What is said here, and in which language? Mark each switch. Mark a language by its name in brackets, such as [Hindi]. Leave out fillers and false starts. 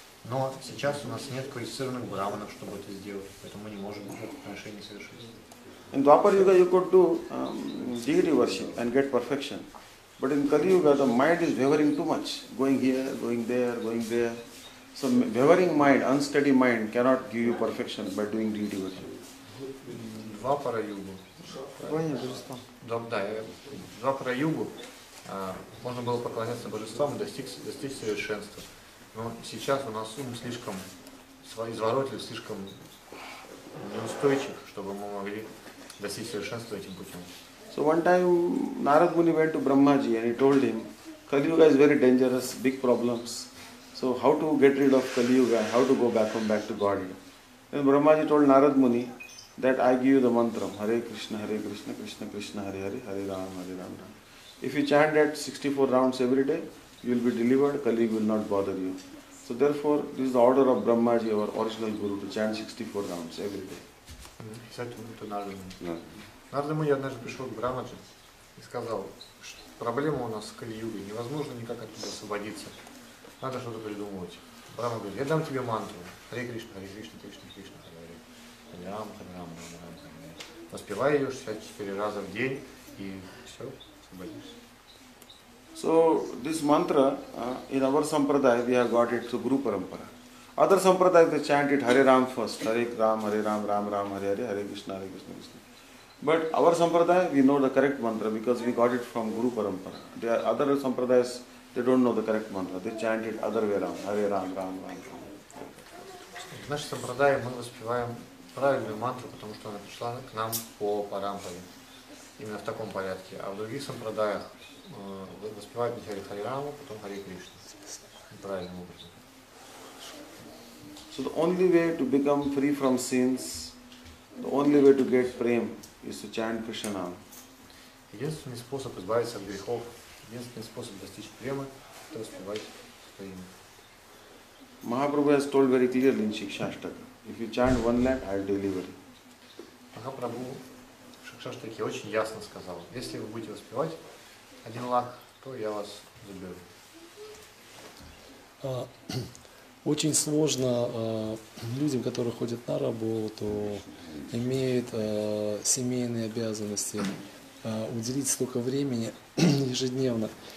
[Russian] Но сейчас у нас нет квалифицированных браманов, чтобы это сделать, поэтому мы не можем жертвоприношения совершить. [English] In Dwapar Yuga you could do deity worship and get perfection. But in Kali Yuga the mind is wavering too much, going here, going there. So wavering mind, unsteady mind cannot give you perfection by doing deity worship. Dwapara Yuga. [Russian] Да, в Двапара Югу можно было поклоняться божествам и достичь совершенства. Но сейчас у нас ум слишком изворотлив, слишком неустойчив, чтобы мы могли достичь совершенства этим путем. [English] So one time Narad Muni went to Brahmaji and he told him, Kali Yuga is very dangerous, big problems. So how to get rid of Kali Yuga, how to go back home, back to God? Then Brahmaji told Narad Muni, that I give you the mantra, Hare Krishna, Hare Krishna, Krishna Krishna, Hare Hare, Hare Ram, Hare Ram, Ram. If you chant that 64 rounds every day, you will be delivered, Kali will not bother you. So therefore, this is the order of Brahmaji, our original Guru, to chant 64 rounds every day. He said to me, to Narada Muni. [Russian] Narada Muni однажды пришел к Брамаджи и сказал, что проблема у нас с Кали-Югой, невозможно никак оттуда освободиться, надо что-то придумывать. Брама говорит, я дам тебе мантру, Hare Krishna, Hare Krishna, Krishna Krishna, Hare Hare. Воспевай ее 64 раза в день и все, освободишься. [English] So this mantra in our sampradaya we have got it through Guru Parampara. Other sampradaya they chant it Hare Ram first, Hare Ram, Hare Ram, Ram Ram, Hare Hare, Hare Krishna, Hare Krishna, Krishna. But our sampradaya we know the correct mantra because we got it from Guru Parampara. The other sampradayas they don't know the correct mantra. They chant it other way around, Hare Ram, Ram Ram. [Russian] В нашей сампрадае мы воспеваем правильную мантру, потому что она пришла к нам по парампаре. Именно в таком порядке. А в других сампрадаях воспевают Хари Хари Раму, потом Хари Кришну. Правильным образом. [English] So the only way to become free from sins, the only way to get prem is to chant Krishna Nam. [Russian] Единственный способ избавиться от грехов, единственный способ достичь премы, это воспевать Хари Раму. [English] Mahaprabhu has told very clearly in Shikshashtaka. If you chant one lap, I'll deliver it. [Russian] Mahaprabhu Шакшаштаке очень ясно сказал, если вы будете воспевать один лах, то я вас заберу. очень сложно людям, которые ходят на работу, имеют семейные обязанности, уделить столько времени ежедневно.